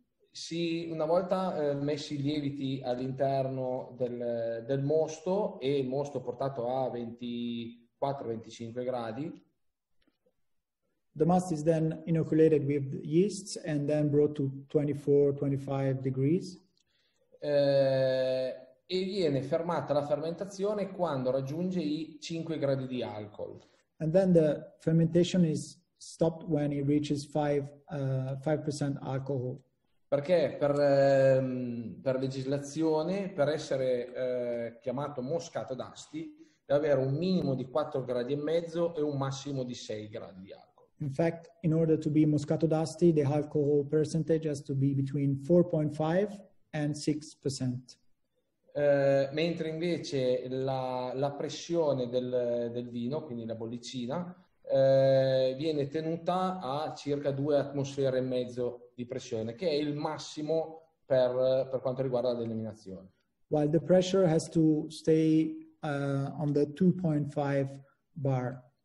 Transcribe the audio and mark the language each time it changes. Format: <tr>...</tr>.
<it>Sì, una volta messi i lieviti all'interno del mosto e il mosto portato a 24-25 gradi.</it> <en>The must is then inoculated with yeasts and then brought to 24-25 degrees.</en> <it>E viene fermata la fermentazione quando raggiunge i 5 gradi di alcol.</it> <en>And then the fermentation is stopped when it reaches 5% alcohol.</en> <it>Perché per legislazione, per essere chiamato Moscato d'Asti, deve avere un minimo di 4 gradi e mezzo e un massimo di 6 gradi di alcol.</it> <en>In fact, in order to be Moscato d'Asti, the alcohol percentage has to be between 4.5 and 6%.</en> <it>Mentre invece la pressione del vino, quindi la bollicina, viene tenuta a circa 2 atmosfere e mezzo di pressione, che è il massimo per quanto riguarda l'eliminazione.</it> <en>while the pressure has to stay on the 2.5 bar.</en>